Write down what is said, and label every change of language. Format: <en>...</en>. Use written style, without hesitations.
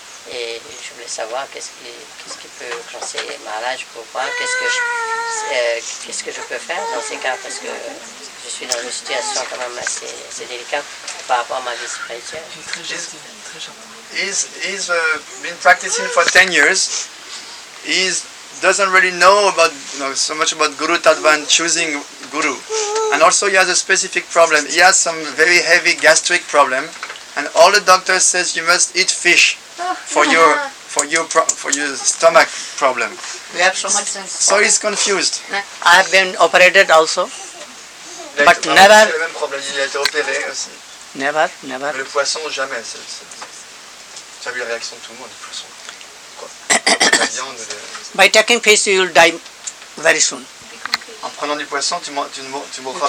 <fr>Et je voulais savoir qu'est-ce qui peut conseiller Maharaj pour moi, qu'est-ce que je peux faire dans ces cas, parce que je suis dans une situation quand même assez délicate par rapport à ma vie spirituelle.</fr> <en>He's been practicing for 10 years. He doesn't really know about, you know, so much about Guru Tattva and choosing Guru. And also he has a specific problem. He has some very heavy gastric problem. And all the doctors says you must eat fish for your stomach problem. We have so much sense. So he's confused. I have been operated also. But never.</en> <fr>C'est le même problème. Il a été opéré aussi.</fr> <en>Never.</en> <fr>Le poisson, jamais. Tu as vu la réaction de tout le monde, le poisson. Quoi? La viande.</fr> <en>By taking fish, you will die very soon.</en> <fr>En prenant du poisson, tu ne mourras bien plus tôt.</fr>